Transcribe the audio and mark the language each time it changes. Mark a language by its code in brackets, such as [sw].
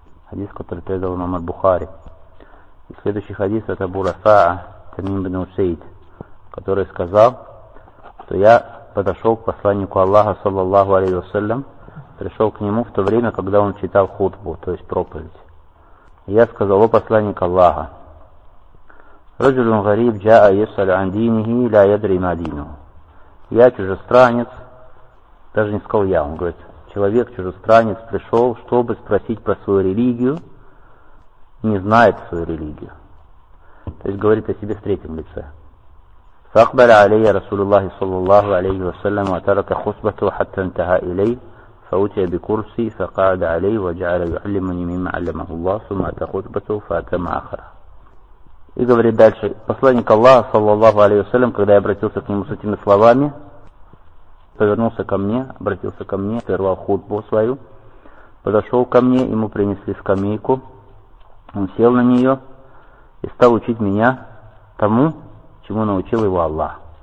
[ru] Хадис, который передал нам Аль-Бухари. И следующий хадис от Абу Рафаа, Тамим бин Усейд, который сказал, что я подошел к посланнику Аллаха, саллаллаху алейхи вассалям, пришел к нему в то время, когда он читал хутбу, то есть проповедь. И я сказал, о посланник Аллаха, [ar] رجل غريب جاء يسأل عن دينه لا يدري ما دينه. [ru] Я чужестранец, даже не сказал я, он говорит, человек чужестранец пришел, чтобы спросить про свою религию, не знает свою религию. То есть говорит о себе в третьем лице. [ar] فأقبل علي رسول الله صلى الله عليه وسلم وترك خطبته حتى انتهى إليه فأتي بكرسي فقعد عليه وجعل يعلمني مما علمه الله ثم أتى خطبته فأتم آخره. [ru] И говорит дальше, посланник Аллаха, саллаллаху алейхи ва саллям, когда я обратился к нему с этими словами, повернулся ко мне, обратился ко мне, прервал хутбу свою, подошел ко мне, ему принесли скамейку, он сел на нее и стал учить меня тому, чему научил его Аллах.